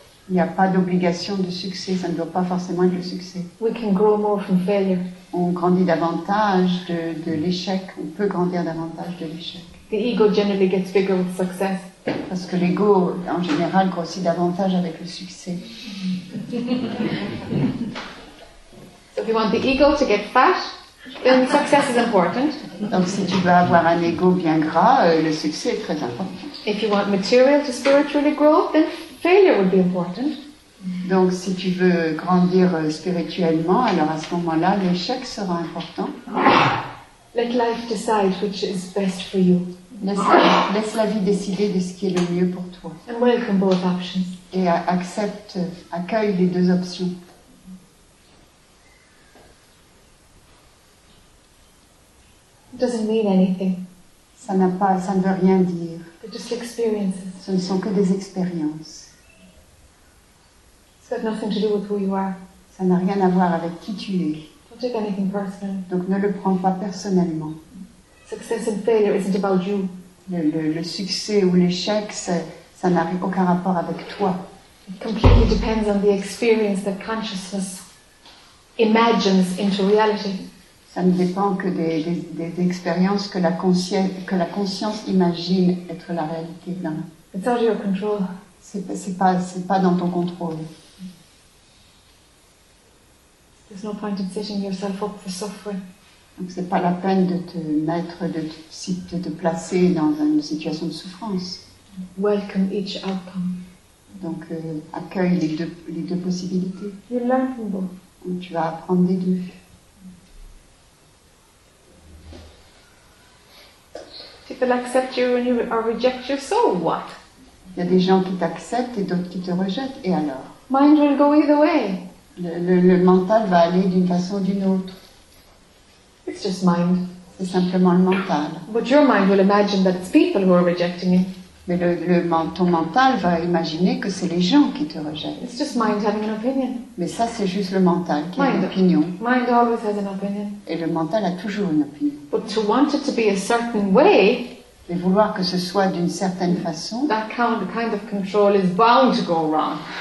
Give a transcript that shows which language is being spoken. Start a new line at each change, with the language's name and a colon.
French: Il n'y a pas d'obligation de succès, ça ne doit pas forcément être le succès.
English: We can grow more from failure.
French: On grandit davantage de l'échec, on peut grandir davantage de l'échec.
English: The ego generally gets bigger with success.
French: Parce que l'ego, en général, grossit davantage avec le succès.
English: So if you want the ego to get fat, then success is important.
French: Donc si tu veux avoir un ego bien gras, le succès est très important.
English: If you want material to spiritually grow, then failure would be important.
French: Donc si tu veux grandir spirituellement, alors à ce moment-là, l'échec sera important.
English: Let life decide which is best for you.
French: Laisse la vie décider de ce qui est le mieux pour toi.
English: And welcome both options.
French: Et accueille les deux options.
English: Doesn't mean anything.
French: Ça ne veut rien dire.
English: They're just experiences.
French: Ce ne sont que des expériences.
English: It's got nothing to do with who you are.
French: Ça n'a rien à voir avec qui tu es.
English: Don't take anything personally.
French: Donc ne le prends pas personnellement.
English: Success and failure isn't about you.
French: Le succès ou l'échec, ça n'a aucun rapport avec toi.
English: It completely depends on the experience that consciousness imagines into reality.
French: Ça ne dépend que des expériences que la conscience imagine être la réalité.
English: It's out of your control.
French: C'est pas dans ton contrôle.
English: There's no point in setting yourself up for suffering.
French: Donc c'est pas la peine de te mettre, de te placer dans une situation de souffrance.
English: Welcome each outcome.
French: Donc accueille les deux possibilités.
English: You learn from both.
French: Donc, tu vas apprendre des deux.
English: People accept you when you are reject you, so what?
French: Il y a des gens qui t'acceptent et d'autres qui te rejettent, et alors?
English: Mind will go either way.
French: Le mental va aller d'une façon ou d'une autre.
English: It's just mind.
French: C'est simplement le mental.
English: But your mind will imagine that it's people who are rejecting you.
French: Mais ton mental va imaginer que c'est les gens qui te rejettent.
English: It's just mind having an opinion.
French: Mais ça, c'est juste le mental qui a une opinion.
English: Mind always has an opinion.
French: Et le mental a toujours une opinion.
English: But to want it to be a certain way,
French: mais vouloir que ce soit d'une certaine façon,
English: that kind of control is bound to go wrong.